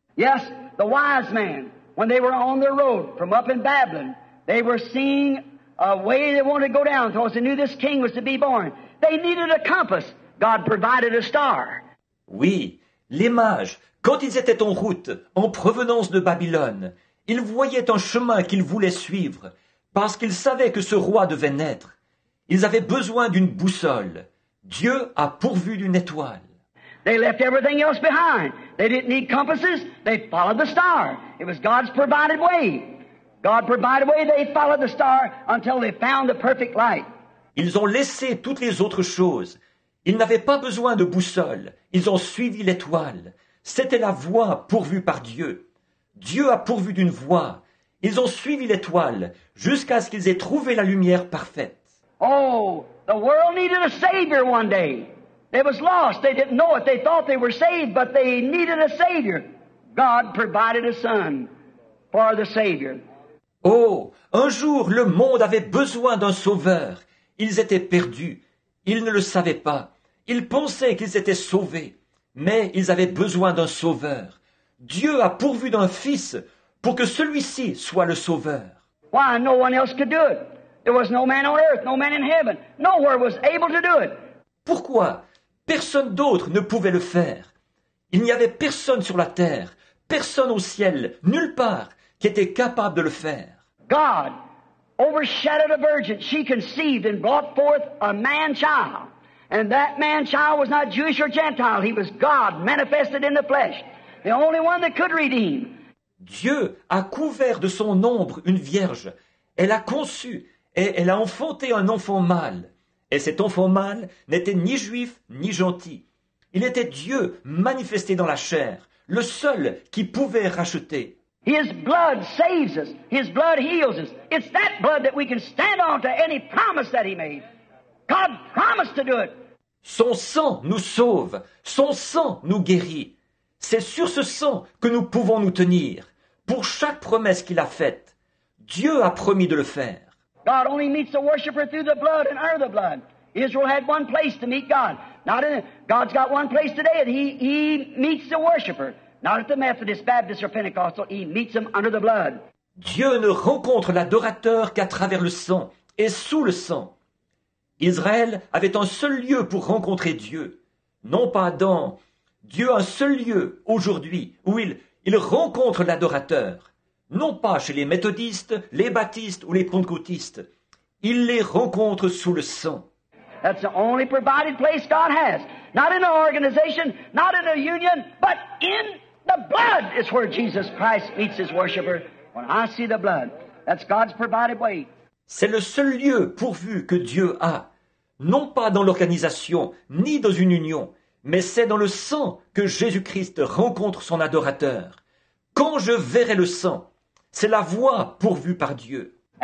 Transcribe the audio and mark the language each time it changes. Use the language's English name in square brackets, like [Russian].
[English] Yes, the wise men, when they were on their road from up in Babylon, they were seeing a way they wanted to go down because they knew this king was to be born. They needed a compass. God provided a star. [French] Oui, les mages, quand ils étaient en route, en provenance de Babylone, ils voyaient un chemin qu'ils voulaient suivre parce qu'ils savaient que ce roi devait naître. Ils avaient besoin d'une boussole. Dieu a pourvu d'une étoile. [English] They left everything else behind. They didn't need compasses. They followed the star. It was God's provided way. God provided way. They followed the star until they found the perfect light. [French] Ils ont laissé toutes les autres choses. Ils n'avaient pas besoin de boussole. Ils ont suivi l'étoile. C'était la voie pourvue par Dieu. Dieu a pourvu d'une voie. Ils ont suivi l'étoile jusqu'à ce qu'ils aient trouvé la lumière parfaite. [English] Oh, the world needed a savior one day. They was lost. They didn't know it. They thought they were saved, but they needed a savior. God provided a son for the savior. [French] Oh, un jour le monde avait besoin d'un sauveur. Ils étaient perdus. Ils ne le savaient pas. Ils pensaient qu'ils étaient sauvés, mais ils avaient besoin d'un sauveur. Dieu a pourvu d'un fils pour que celui-ci soit le sauveur. [English] Why no one else could do it? There was no man on earth, no man in heaven, nowhere was able to do it. [French] Pourquoi personne d'autre ne pouvait le faire? Il n'y avait personne sur la terre, personne au ciel, nulle part, qui était capable de le faire. [English] God overshadowed a virgin. She conceived and brought forth a man-child. And that man-child was not Jewish or Gentile. He was God manifested in the flesh. The only one that could redeem. [French] Dieu a couvert de son ombre une vierge. Elle a conçu et elle a enfanté un enfant mâle. Et cet enfant mâle n'était ni juif ni gentil. Il était Dieu manifesté dans la chair, le seul qui pouvait racheter. [English] His blood saves us. His blood heals us. It's that blood that we can stand on to any promise that he made. God promised to do it. [French] Son sang nous sauve. Son sang nous guérit. C'est sur ce sang que nous pouvons nous tenir. Pour chaque promesse qu'il a faite, Dieu a promis de le faire. [English] God only meets a worshipper through the blood and under the blood. Israel had one place to meet God. Not in, God's got one place today and he meets the worshipper. Not at the Methodist, Baptist or Pentecostal. He meets them under the blood. [French] Dieu ne rencontre l'adorateur qu'à travers le sang et sous le sang. Israël avait un seul lieu pour rencontrer Dieu. Non pas dans... Dieu a un seul lieu aujourd'hui où il rencontre l'adorateur. Non pas chez les méthodistes, les baptistes ou les pentecôtistes. Il les rencontre sous le sang. [English] That's the only provided place God has. Not in an organization, not in a union, but in the blood is where Jesus Christ meets his worshiper. When I see the blood, that's God's provided way. [French] C'est le seul lieu pourvu que Dieu a. Non pas dans l'organisation, ni dans une union. Mais c'est dans le sang que Jésus-Christ rencontre son adorateur. Quand je verrai le sang, c'est la voie pourvue par Dieu.